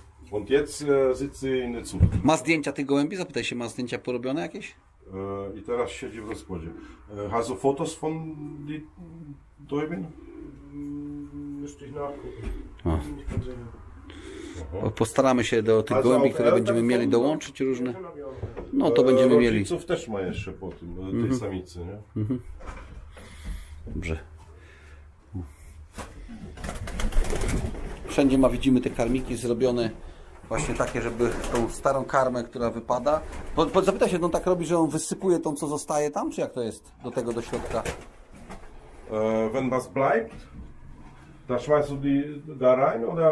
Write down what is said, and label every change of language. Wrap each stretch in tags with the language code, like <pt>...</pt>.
<de>Und jetzt sitzt sie in der Zucht.</de> <pl>Ma zdjęcia tych gołębi? Zapytaj się, ma zdjęcia porobione jakieś? I teraz siedzi w rozpłodzie.</pl> <de>Hast du Fotos von die Däubin? Müsste ich nachgucken.</de> <pl>Postaramy się do tych gołębi, które będziemy mieli dołączyć różne. No to będziemy mieli. Rodziców też ma jeszcze po tym, tej samicy, nie? Dobrze. Wszędzie ma, widzimy te karmiki zrobione. Właśnie takie, żeby tą starą karmę, która wypada. Zapytaj się, on tak robi, że on wysypuje tą, co zostaje tam, czy jak to jest do tego, do środka?</pl> <de>Wenn was bleibt, Da schmeißt du die da rein oder?</de>